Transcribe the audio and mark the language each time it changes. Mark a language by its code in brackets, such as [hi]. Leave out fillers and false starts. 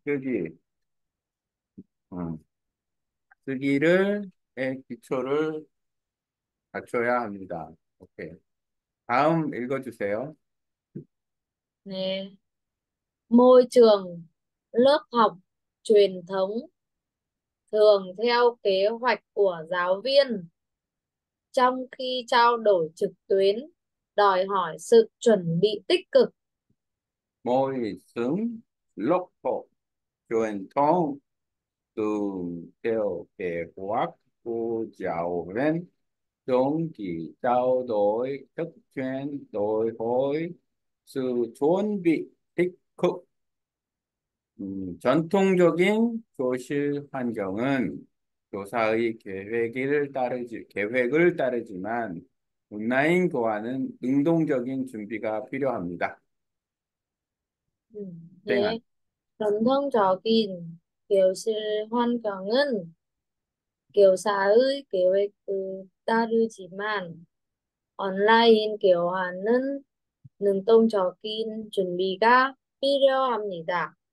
[ko] 쓰기 쓰기를 의 기초를 갖춰야 합니다. 오케이 다음 읽어주세요. [vi] 네 môi trường lớp học truyền thống thường theo kế hoạch của giáo viên, trong khi trao đổi trực tuyến đòi hỏi sự chuẩn bị tích cực. Môi sướng lớp học truyền thống từ theo kế hoạch của giáo viên trong kỳ trao đổi thực truyền đổi hỏi sự chuẩn bị tích cực. [ko] 전통적인 교실 환경은 교사의 계획을 따르지만 온라인과는 능동적인 준비가 필요합니다. 땡아. 네, 전통적인 교실 환경은 교사의 계획을 따르지만 온라인 교환은 능동적인 준비가 필요합니다.